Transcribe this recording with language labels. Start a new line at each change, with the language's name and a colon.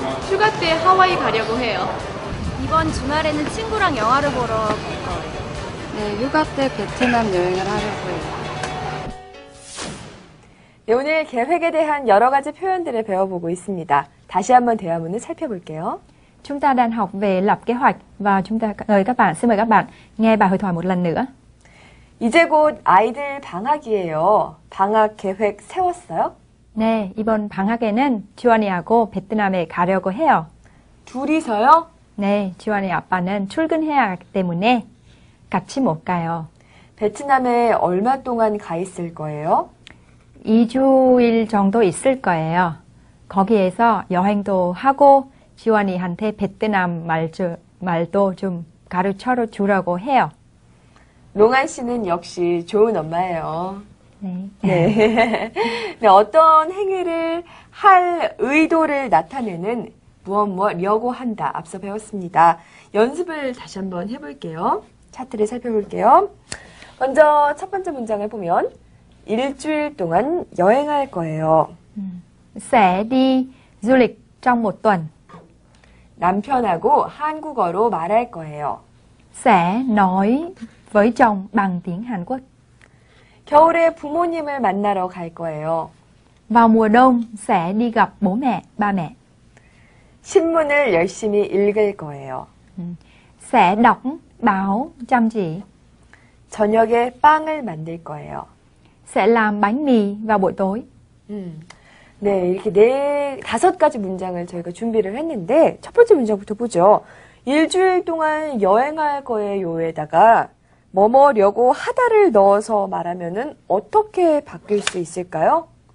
Korean: 휴가 때 하와이 가려고 해요. 이번 주말에는 친구랑 영화를 보러 갈 거예요. 네, 휴가 때 베트남 여행을 하려고 해요. 오늘 계획에 대한 여러 가지 표현들을 배워보고 있습니다. 다시 한번 대화문을 살펴볼게요.
Vietnamese: Chúng ta đang học về lập kế hoạch và chúng ta mời các bạn, xin mời các bạn nghe bài hội thoại một lần nữa.
Korean: 이제 곧 아이들 방학이에요. 방학 계획 세웠어요? 네, 이번 방학에는 지원이하고 베트남에 가려고 해요. 둘이서요? 네, 지원이 아빠는 출근해야 하기 때문에 같이 못 가요. 베트남에 얼마 동안 가 있을 거예요? 2주일 정도 있을 거예요. 거기에서 여행도 하고 지원이한테 베트남 말도 좀 가르쳐 주라고 해요. 롱한 씨는 역시 좋은 엄마예요. 네. 네. 어떤 행위를 할 의도를 나타내는 무엇무엇이라고 한다 앞서 배웠습니다. 연습을 다시 한번 해볼게요. 차트를 살펴볼게요. 먼저 첫 번째 문장을 보면 일주일 동안 여행할 거예요.
Vietnamese: Sẽ đi du lịch trong một tuần.
Korean: 남편하고 한국어로 말할 거예요.
Vietnamese: Sẽ nói với chồng bằng tiếng Hàn Quốc.
Korean: 겨울에 부모님을 만나러 갈 거예요.
Vietnamese: Vào mùa đông sẽ đi gặp bố mẹ, ba mẹ.
Korean: 신문을 열심히 읽을 거예요.
Vietnamese: Sẽ đọc báo chăm chỉ.
Korean: 저녁에 빵을 만들 거예요.
Vietnamese: Sẽ làm bánh mì vào buổi tối.
Korean: 네, 이렇게 네 다섯 가지 문장을 저희가 준비를 했는데 첫 번째 문장부터 보죠. 일주일 동안 여행할 거예요에다가 뭐뭐려고 하다를 넣어서 말하면은 어떻게 바뀔 수 있을까요?